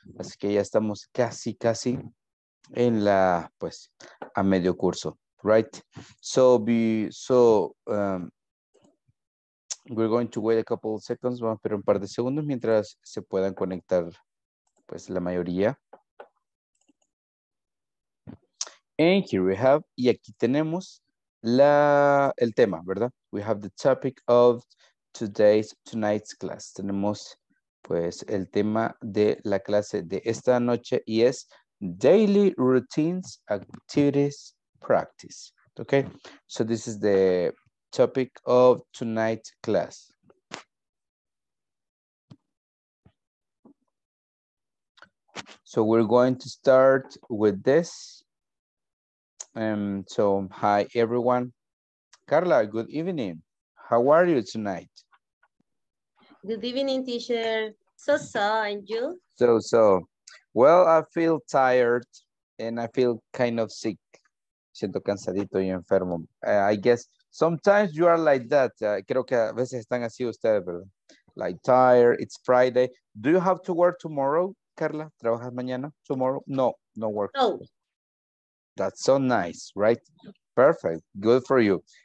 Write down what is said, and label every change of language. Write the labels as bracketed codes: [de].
[es] Así que ya estamos casi, casi en la, pues, a medio curso. [en] Right? We're going to wait a couple of seconds. [es] Vamos a esperar un par de segundos mientras se puedan conectar, pues, la mayoría. And here we have, y aquí tenemos la, el tema, ¿verdad? [en] We have the topic of tonight's class. [es] Tenemos, pues, el tema de la clase de esta noche y es Daily Routines, Activities, Practice. [en] Okay, so this is the topic of tonight's class. So we're going to start with this. So hi everyone. Carla, good evening. How are you tonight? Good evening, teacher. So, and you? So. Well, I feel tired and I feel kind of sick. Siento cansadito y enfermo. I guess sometimes you are like that. Creo que a veces están así ustedes, ¿verdad? Like tired, it's Friday. Do you have to work tomorrow, Carla? ¿Trabajas mañana? ¿Tomorrow? No, no work. No. That's so nice, right? Perfect. Good for you.